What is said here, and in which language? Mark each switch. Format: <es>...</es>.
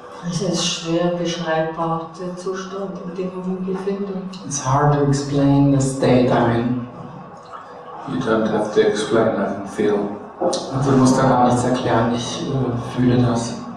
<de>Es ist schwer beschreibbar, der Zustand, in dem wir uns befinden.</de> <en>It's hard to explain the state I'm in. You don't have to explain, I can feel.</en> <de>Also, du musst da gar nichts erklären, ich fühle das.</de>